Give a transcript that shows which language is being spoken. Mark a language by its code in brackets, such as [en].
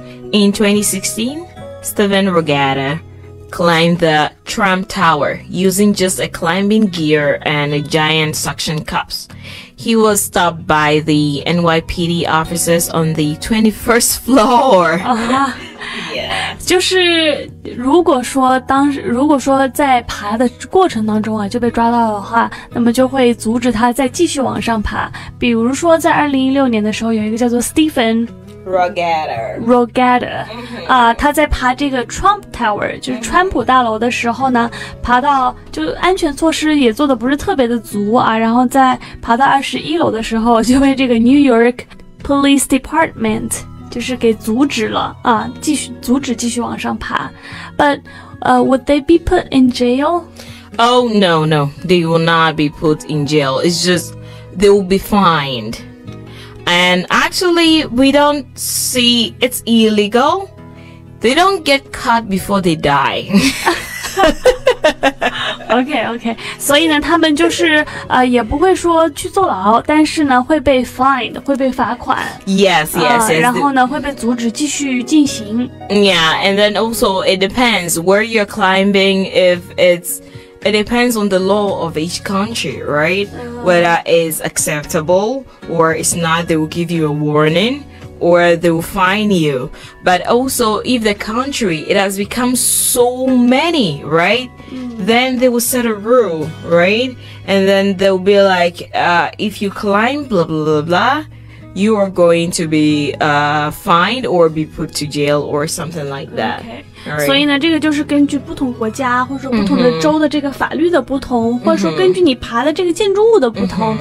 [en] In 2016, Steven Rogata climbed the Trump Tower using just a climbing gear and a giant suction cups. He was stopped by the NYPD officers on the 21st floor. Yeah. [zh] 就是如果说当时如果说在爬的过程当中啊就被抓到的话，那么就会阻止他再继续往上爬。比如说在2016年的时候，有一个叫做 Stephen Rogata， Rogata 啊，他在爬这个 Trump Tower， 就是川普大楼的时候呢，爬到就安全措施也做的不是特别的足啊，然后在爬到21楼的时候，就被这个 New York Police Department。就是给阻止了啊，继续阻止继续往上爬 ， [en] but would they be put in jail? Oh no no, they will not be put in jail. It's just they will be fined. And actually, we don't see it's illegal. They don't get caught before they die. [zh] okay okay, 所以呢，他们就是也不会说去坐牢，但是呢会被 fined， 会被罚款。 [en] Yes yes yes. [zh] 然后呢会被阻止继续进行。 [en] Yeah, and then also it depends where you're climbing. If it's it depends on the law of each country, right? Whether it's acceptable or it's not, they will give you a warning. Or they will fine you. But also, if the country, it has become so many, right? Then they will set a rule, right? And then they will be like, if you climb blah, blah, blah, blah, you are going to be fined or be put to jail or something like that. Okay. Right. [zh] 所以呢，这个就是根据不同国家或者说不同的州的这个法律的不同、mm-hmm. 或者说根据你爬的这个建筑物的不同、mm-hmm.